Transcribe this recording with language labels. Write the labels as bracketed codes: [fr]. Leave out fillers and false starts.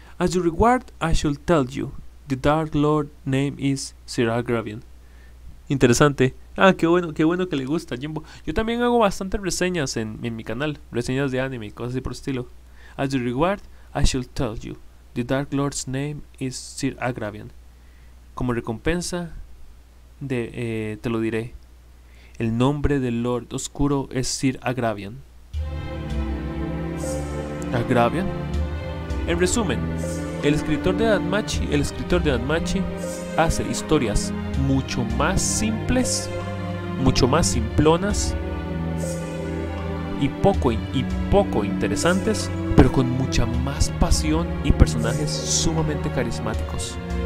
[en] as a reward, I shall tell you, the Dark Lord name is Sir Agravian. [es] Interesante. Ah, qué bueno que le gusta, Jimbo. Yo también hago bastantes reseñas en mi canal, reseñas de anime y cosas así por el estilo. [en] As a reward, I shall tell you, the Dark Lord's name is Sir Agravian. [es] como recompensa de te lo diré. El nombre del Lord Oscuro es Sir Agravian. ¿Agravian? En resumen, el escritor de Danmachi, hace historias mucho más simples, mucho más simplonas y poco interesantes, pero con mucha más pasión y personajes sumamente carismáticos.